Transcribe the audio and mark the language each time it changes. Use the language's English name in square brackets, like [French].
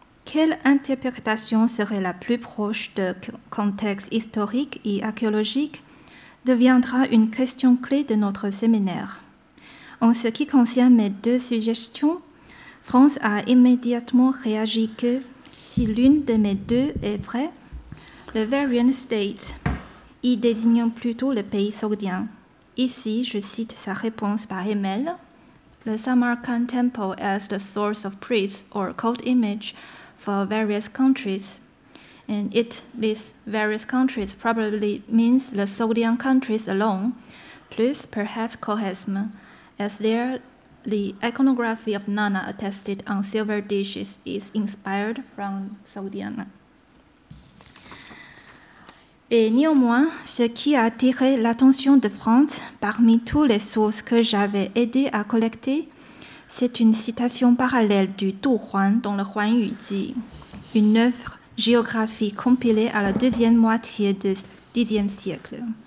[French] Quelle interprétation serait la plus proche du contexte historique et archéologique deviendra une question clé de notre séminaire. En ce qui concerne mes deux suggestions, France a immédiatement réagi que si l'une de mes deux est vraie, le Varian State, y désignant plutôt le pays sogdien. Ici, je cite sa réponse par email. [English] The Samarkand Temple as the source of priests or cult image for various countries, and it lists various countries probably means the Sogdian countries alone, plus perhaps Khoresm, as there the iconography of Nana attested on silver dishes is inspired from Sogdian. [French] Et néanmoins, ce qui a attiré l'attention de France parmi toutes les sources que j'avais aidé à collecter, c'est une citation parallèle du Du Huan dans le Huan Yu Ji, une œuvre géographique compilée à la deuxième moitié du Xe siècle.